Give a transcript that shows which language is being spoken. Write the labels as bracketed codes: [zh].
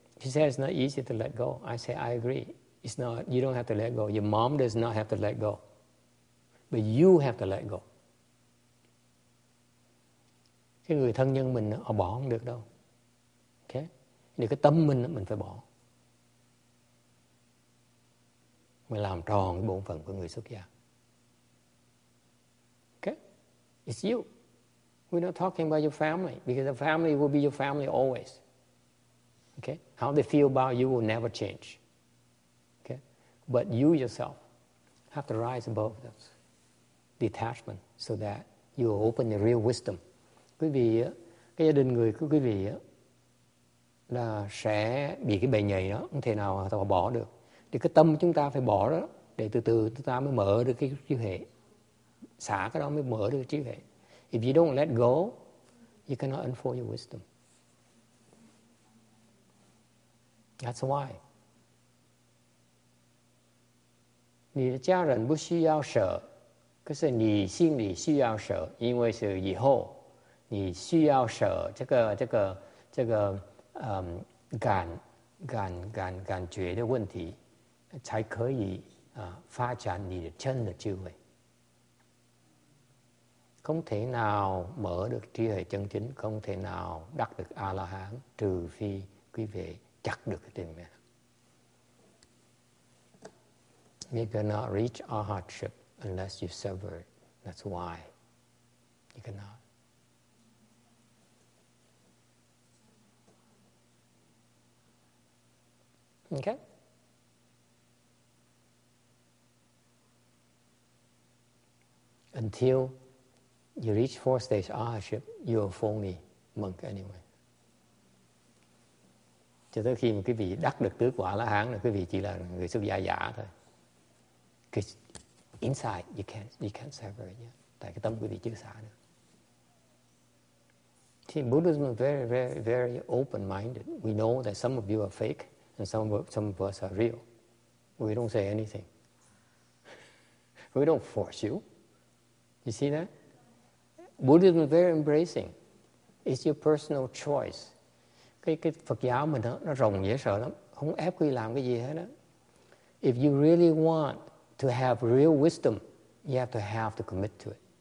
[en] She says it's not easy to let go. I say I agree. It's not. You don't have to let go. Your mom does not have to let go. But you have to let go. [vi] Cái người thân nhân mình họ bỏ không được đâu. Okay? Thì cái tâm mình phải bỏ. Mình làm tròn cái bổn phận của người xuất gia. [en] Okay? It's you. We're not talking about your family. Because the family will be your family always. Okay? How they feel about you will never change. Okay? But you yourself have to rise above this detachment so that you will open the real wisdom. [vi] Quý vị, cái gia đình người của quý vị là sẽ bị cái bề nhầy đó, không thể nào họ bỏ được. Thì cái tâm chúng ta phải bỏ đó, để từ từ chúng ta mới mở được cái trí huệ. Xả cái đó mới mở được cái trí huệ. [en] If you don't let go, you cannot unfold your wisdom. That's why. [zh] 你的家人不需要舍, 可是你心里需要舍, 因为是以后, 你需要舍这个感觉的问题, 才可以, 发展你的真的智慧。 [vi] Không thể nào mở được trí huệ chân chính, không thể nào đắc được A-la-hán, trừ phi quý vị chặt được cái tiền mạng. [en] You cannot reach our hardship unless you sever it. That's why. You cannot. Okay. Until you reach four stage arahatship, you are formally monk anyway. [vi] Cho tới khi mà quý vị đắc được tứ quả la hán là quý vị chỉ là người xuất gia giả thôi. [en] Because inside you can't sever it. [vi] Tại cái tâm quý vị chưa xả được. [en] See, Buddhism is very very very open minded. We know that some of you are fake. And some of us are real. We don't say anything. We don't force you. You see that? Buddhism is very embracing. It's your personal choice. [vi] Cái Phật giáo mình đó, nó rộng dễ sợ lắm. Không ép quý làm cái gì hết đó. [en] If you really want to have real wisdom, you have to commit to it.